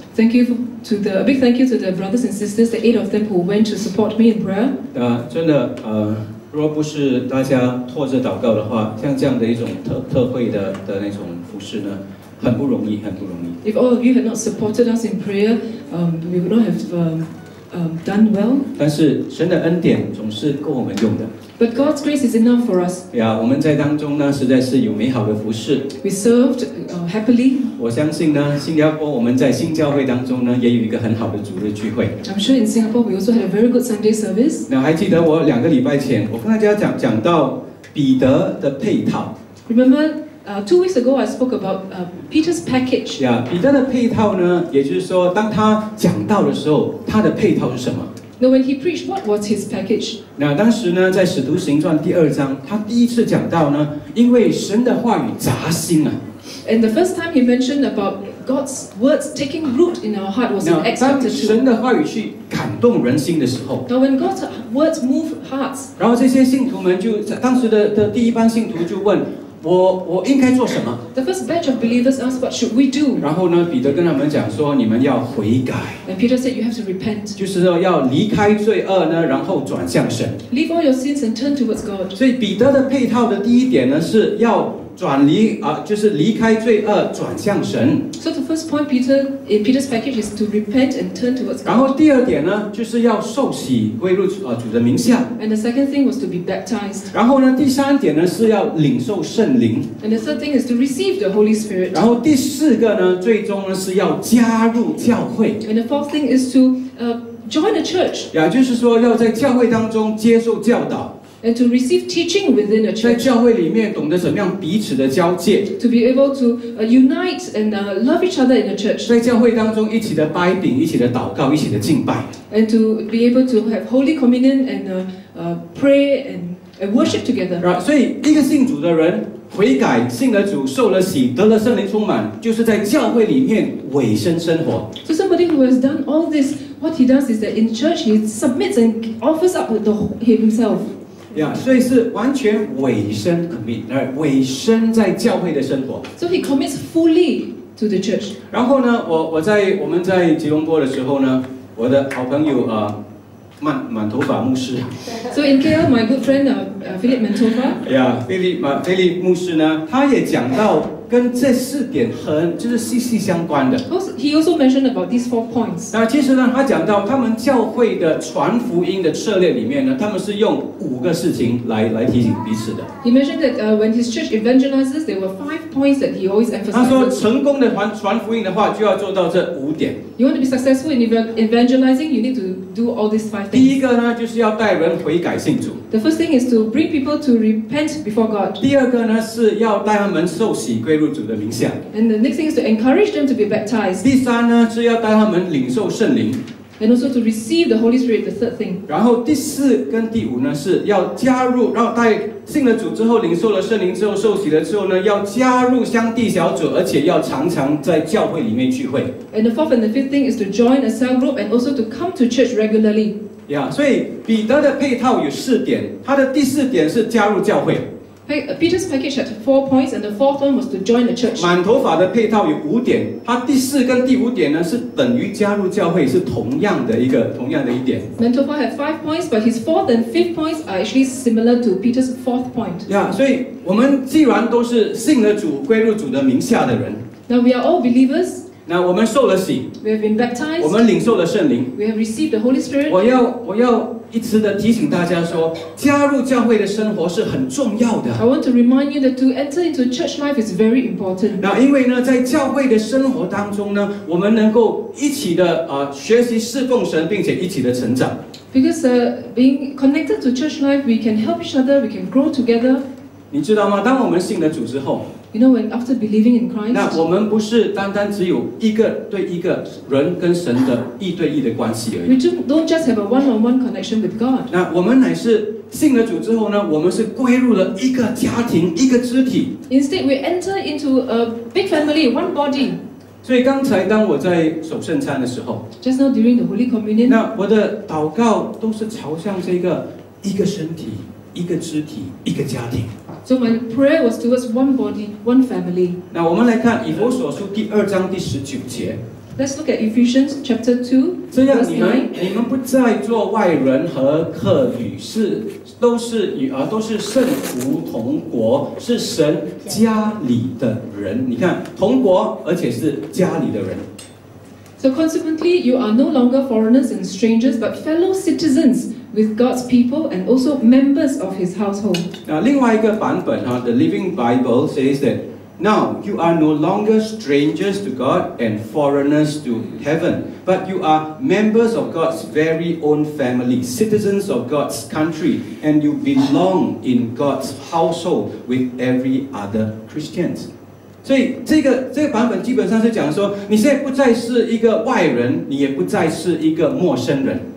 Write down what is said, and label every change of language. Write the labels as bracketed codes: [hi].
[en] Thank you to the big thank you to the brothers and sisters, the eight of them who went to support me in prayer. [zh] 真的，如果不是大家拖着祷告的话，像这样的一种特惠的那种服事呢？很不容易。 [en] If all of you had not supported us in prayer, we would not have done well. [zh] 但是神的恩典总是够我们用的。 [en] But God's grace is enough for us. [zh] 呀，我们在当中呢，实在是有美好的服事。 [en] We served happily. [zh] 我相信呢，新加坡我们在新教会当中呢，也有一个很好的主日聚会。 [en] I'm sure in Singapore we also had a very good Sunday service. [zh] 那还记得我两个礼拜前，我跟大家讲到彼得的配套。 [en] Remember. Two weeks ago, I spoke about Peter's package. [zh] Yeah, 彼得的配套呢，也就是说，当他讲到的时候，他的配套是什么？ [en] Now, when he preached, what was his package? [zh] 那当时呢，在《使徒行传》第二章，他第一次讲到呢，因为神的话语扎心啊。 [en] And the first time he mentioned about God's words taking root in our heart was in Acts chapter 2. [zh] 神的话语去感动人心的时候。 [en] Now, when God's words move hearts. [zh] 然后这些信徒们就当时的第一班信徒就问。我应该做什么 [en] ？The first batch of believers asked, "What should we do?" [zh] 然后呢，彼得跟他们讲说，你们要悔改。 [en] And Peter said, "You have to repent." [zh] 就是说要离开罪恶呢，然后转向神。 [en] Leave all your sins and turn towards God. [zh] 所以彼得的配套的第一点呢，是要转离就是离开罪恶，转向神。 [en] So the first point, Peter in Peter's package is to repent and turn towards God. [zh] 然后第二点呢，就是要受洗归入主的名下。 [en] And the second thing was to be baptized. [zh] 然后呢，第三点呢是要领受圣灵。 [en] And the third thing is to receive the Holy Spirit. [zh] 然后第四个呢，最终呢是要加入教会。 [en] And the fourth thing is to join the church. [zh] 也就是说，要在教会当中接受教导。 [en] And to receive teaching within a church. [zh] 在教会里面懂得怎么样彼此的交接。 [en] To be able to unite and love each other in a church. [zh] 在教会当中一起的掰饼，一起的祷告，一起的敬拜。 [en] And to be able to have holy communion and pray and worship together. Right. [zh] 所以一个信主的人悔改，信了主，受了洗，得了圣灵充满，就是在教会里面委身生活。 [en] So somebody who has done all this, what he does is that in church he submits and offers up himself. [zh] Yeah, 所以是完全委身 commit, 委身在教会的生活。 [en] So he commits fully to the church. [zh] 然后呢，我们在吉隆坡的时候呢，我的好朋友满头发牧师。 [en] So in KL, my good friend Philip Mantova. [zh] Yeah, Philip 牧师呢，他也讲到跟这四点很就是息息相关的。 [en] He also mentioned about these four points. [zh] 那其实呢，他讲到他们教会的传福音的策略里面呢，他们是用五个事情来提醒彼此的。 [en] He mentioned that when his church evangelizes, there were five points that he always emphasized. [zh] 他说成功的传福音的话，就要做到这五点。 [en] You want to be successful in evangelizing, you need to do all these five things. [zh] 第一个呢，就是要带人悔改信主。 [en] The first thing is to bring people to repent before God. [zh] 第二个呢，是要带他们受洗。归入主的名下。 [en] And the next thing is to encourage them to be baptized. [zh] 第三呢，是要带他们领受圣灵。 [en] And also to receive the Holy Spirit, the third thing. [zh] 然后第四跟第五呢，是要加入，然后带信了主之后，领受了圣灵之后，受洗了之后呢，要加入乡弟小组，而且要常常在教会里面聚会。 [en] And the fourth and the fifth thing is to join a cell group and also to come to church regularly. [zh] Yeah, 所以彼得的配套有四点，他的第四点是加入教会。 [en] Peter's package had four points, and the fourth one was to join the church. [zh] 满头发的配套有五点，它第四跟第五点呢是等于加入教会，是同样的一点。 [en] Mantova had five points, but his fourth and fifth points are actually similar to Peter's fourth point. [zh] Yeah, 所以我们既然都是信了主、归入主的名下的人 [en] ，Now we are all believers. [zh] 那我们受了洗 [en] ，We have been baptized. [zh] 我们领受了圣灵 [en] ，We have received the Holy Spirit. [zh] 我要。一直的提醒大家说，加入教会的生活是很重要的。 [en] I want to remind you that to enter into church life is very important. [zh] 那因为呢，在教会的生活当中呢，我们能够一起的学习侍奉神，并且一起的成长。 [en] Because being connected to church life, we can help each other, we can grow together. [zh] 你知道吗？当我们信了主之后 [en] ，You know, when after believing in Christ, [zh] 那我们不是单单只有一个对一个人跟神的一对一的关系而已。 [en] We don't just have a one-on-one connection with God. [zh] 那我们乃是信了主之后呢，我们是归入了一个家庭，一个肢体。 [en] Instead, we enter into a big family, one body. [zh] 所以刚才当我在守圣餐的时候 [en] ，Just now during the Holy Communion, [zh] 那我的祷告都是朝向这个一个身体。一个肢体，一个家庭。 [en] So my prayer was towards one body, one family. [zh] 那我们来看以弗所书第二章第十九节。 [en] Let's look at Ephesians chapter 2. [zh] 这样你们不再做外人和客旅，都是圣徒同国，是神家里的人。你看，同国，而且是家里的人。 [en] So consequently, you are no longer foreigners and strangers, but fellow citizens with God's people and also members of His household. [zh] 那另外一个版本哈 ， [en] The Living Bible says that. Now, you are no longer strangers to God and foreigners to heaven, but you are members of God's very own family, citizens of God's country, and you belong in God's household with every other Christians. [zh] 所以这个版本基本上是讲说，你现在不再是一个外人，你也不再是一个陌生人。